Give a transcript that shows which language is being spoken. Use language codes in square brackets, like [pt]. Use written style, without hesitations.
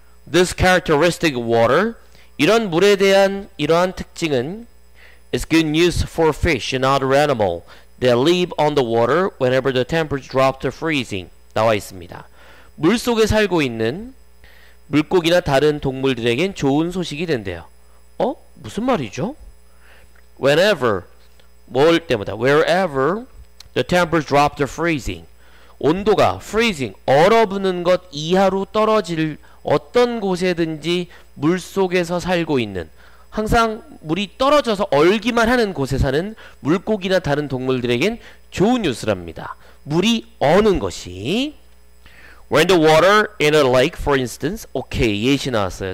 [en] This characteristic of water, [ko] 이런 물에 대한 이러한 특징은 [en] is good news for fish and other animals that live on the water whenever the temperature drops to freezing. [ko] 나와 있습니다. 물 속에 살고 있는 물고기나 다른 동물들에겐 좋은 소식이 된대요. 어? 무슨 말이죠? [en] Whenever, [ko] 뭘 때마다, [en] wherever the temperature drops to freezing. [ko] 온도가 freezing, 얼어붙는 것 이하로 떨어질 어떤 곳에든지 물 속에서 살고 있는 항상 물이 떨어져서 얼기만 하는 곳에 사는 물고기나 다른 동물들에겐 좋은 뉴스랍니다. 물이 어는 것이 [en] When the water in a lake, for instance, okay, [ko] 예시 나왔어요.